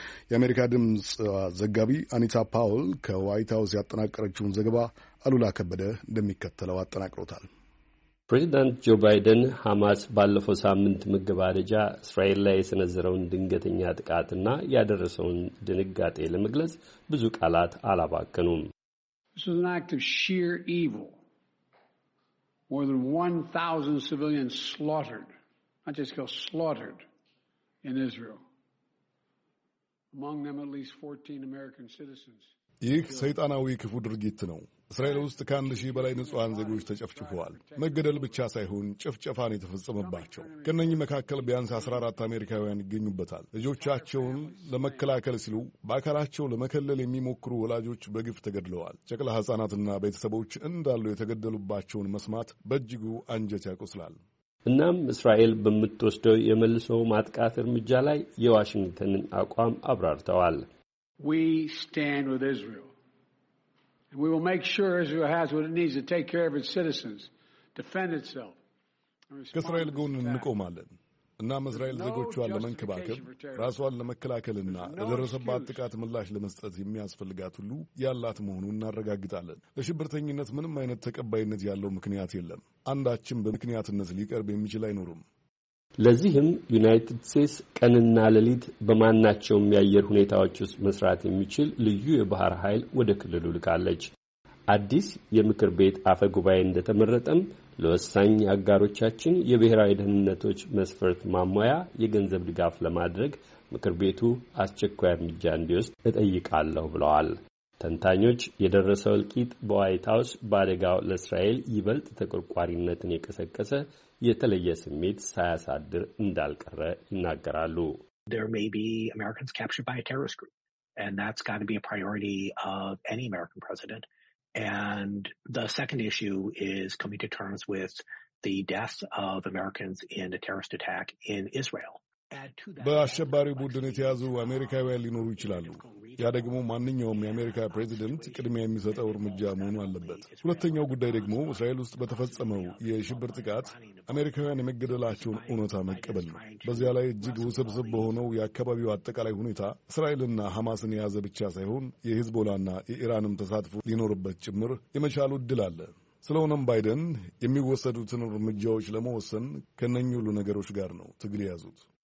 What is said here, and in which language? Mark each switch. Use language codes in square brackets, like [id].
[am] የአሜሪካ ድምፅ ዘጋቢ አኒታ ፓውል ከዋይት ሀውስ ያጠናቀረችውን ዘገባ አሉላ ከበደ እንደሚከተለው አጠናቅሮታል። ፕሬዚዳንት ጆ ባይደን ሐማስ ባለፈው ሳምንት መገባደጃ እስራኤል ላይ የሰነዘረውን ድንገተኛ ጥቃትና ያደረሰውን ድንጋጤ ለመግለጽ ብዙ ቃላት አላባከኑም። [en] This is an act of sheer evil. More than 1,000 civilians slaughtered, not just killed, slaughtered in Israel. Among them at least 14 American citizens. [am] ይህ ሰይጣናዊ ክፉ ድርጊት ነው። እስራኤል ውስጥ ከአንድ ሺህ በላይ ንጹሐን ዜጎች ተጨፍጭፈዋል። መገደል ብቻ ሳይሆን ጭፍጨፋን የተፈጸመባቸው። ከነኚህ መካከል ቢያንስ 14 አሜሪካውያን ይገኙበታል። ልጆቻቸውን ለመከላከል ሲሉ በአካላቸው ለመከለል የሚሞክሩ ወላጆች በግፍ ተገድለዋል። ጨቅላ ሕፃናትና ቤተሰቦች እንዳሉ የተገደሉባቸውን መስማት በእጅጉ አንጀት ያቆስላል። እናም እስራኤል በምትወስደው የመልሶ ማጥቃት እርምጃ ላይ የዋሽንግተንን አቋም አብራርተዋል። [en] We stand with Israel. And we will make sure Israel has what it needs to take care of its citizens, defend itself. [am] ከእስራኤል ጎን እንቆማለን። እናም እስራኤል ዜጎቿን ለመንከባከብ፣ ራስዋን ለመከላከልና ለደረሰባት ጥቃት ምላሽ ለመስጠት የሚያስፈልጋት ሁሉ ያላት መሆኑን እናረጋግጣለን። ለሽብርተኝነት ምንም አይነት ተቀባይነት ያለው ምክንያት የለም። አንዳችም በምክንያትነት ሊቀርብ የሚችል አይኖርም። ለዚህም ዩናይትድ ስቴትስ ቀንና ሌሊት በማናቸውም የአየር ሁኔታዎች ውስጥ መስራት የሚችል ልዩ የባህር ኃይል ወደ ክልሉ ልካለች። አዲስ የምክር ቤት አፈ ጉባኤ እንደተመረጠም ለወሳኝ አጋሮቻችን የብሔራዊ ደህንነቶች መስፈርት ማሟያ የገንዘብ ድጋፍ ለማድረግ ምክር ቤቱ አስቸኳይ እርምጃ እንዲወስድ እጠይቃለሁ ብለዋል። ተንታኞች የደረሰው እልቂት በዋይት ሀውስ በአደጋው ለእስራኤል ይበልጥ ተቆርቋሪነትን የቀሰቀሰ የተለየ ስሜት ሳያሳድር እንዳልቀረ ይናገራሉ። [en] There may be Americans captured by a terrorist group and that's got to be a priority of any American president and the second issue is coming to terms with the deaths of Americans in a terrorist attack in Israel. [am] በአሸባሪ ቡድን የተያዙ አሜሪካውያን ሊኖሩ ይችላሉ። ያ ደግሞ ማንኛውም የአሜሪካ ፕሬዚደንት ቅድሚያ የሚሰጠው እርምጃ መሆኑ አለበት። ሁለተኛው ጉዳይ ደግሞ እስራኤል ውስጥ በተፈጸመው የሽብር ጥቃት አሜሪካውያን የመገደላቸውን እውነታ መቀበል ነው። በዚያ ላይ እጅግ ውስብስብ በሆነው የአካባቢው አጠቃላይ ሁኔታ እስራኤልና ሐማስን የያዘ ብቻ ሳይሆን የሂዝቦላና የኢራንም ተሳትፎ ሊኖርበት ጭምር የመቻሉ ዕድል አለ። ስለሆነም ባይደን የሚወሰዱትን እርምጃዎች ለመወሰን ከነኚህ ሁሉ ነገሮች ጋር ነው ትግል የያዙት።